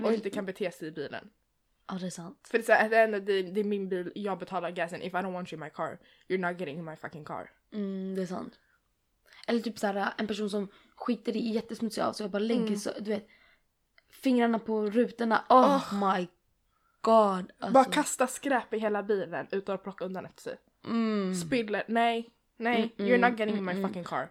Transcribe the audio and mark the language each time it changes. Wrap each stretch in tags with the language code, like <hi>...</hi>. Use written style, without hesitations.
<sv>och inte kan bete sig i bilen. Ja, det är sant. För det är, så här, det är min bil, jag betalar gasen.</sv> <en>If I don't want you in my car, you're not getting in my fucking car.</en> <sv>Mm, det är sant. Eller typ så här, en person som skiter i jättesmutsig av sig och bara länker så, du vet, fingrarna på rutorna.</sv> <en>Oh my god.</en> <sv>Alltså. Bara kasta skräp i hela bilen utan att plocka undan efter sig. Mm. Spiller, nej, nej.</sv> <en>Mm-mm. You're not getting in my fucking car.</en>